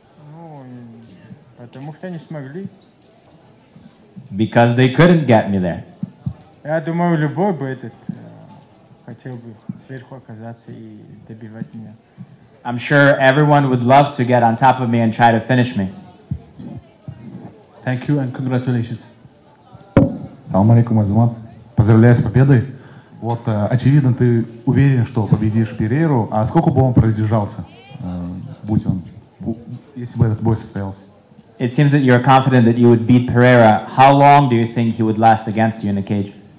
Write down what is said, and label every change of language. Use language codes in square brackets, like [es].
[ru] Ну, потому что не смогли. [en] Because they couldn't get me there. [ru] Я думаю, любой бы этот хотел бы сверху оказаться и добивать меня. [en] I'm sure everyone would love to get on top of me and try to finish me. Thank you and congratulations. [ru] Салам алейкум, Азамат. Поздравляю с победой. Вот, очевидно, ты уверен, что победишь Перейру. А сколько бы он продержался, будь он, если бы этот бой состоялся? [en] It seems that you're confident that you would beat Pereira. How long do you think he would last against you in a cage?